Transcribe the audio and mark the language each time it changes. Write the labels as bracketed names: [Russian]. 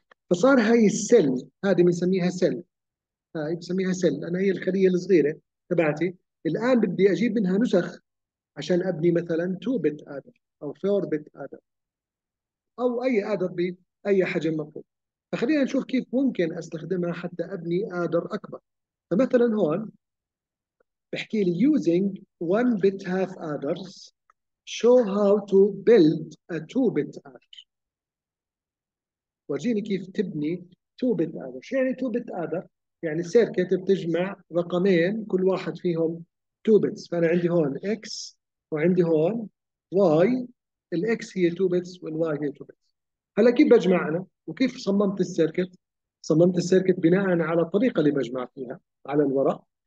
[Arabic] فصار هاي السل، هذه بنسميها سل، هاي بنسميها سل، انا هي الخليه الصغيره تبعتي. الان بدي اجيب منها نسخ عشان ابني مثلا تو بيت ادر او فور بيت ادر او اي ادر باي حجم مطلوب. فخلينا نشوف كيف ممكن استخدمها حتى ابني ادر اكبر. فمثلا هون بحكي لي [English] using 1 bit half adders show how to build a 2-bit adder. [Arabic] ورجيني كيف تبني 2-bit adder. شو يعني 2-bit adder؟ يعني سيركت بتجمع رقمين كل واحد فيهم 2 bits. فأنا عندي هون X وعندي هون Y، ال X هي 2 bits وال Y هي 2 bits. هلا كيف بجمع أنا وكيف صممت السيركت؟ صممت السيركت بناء على الطريقة اللي بجمع فيها على الورق.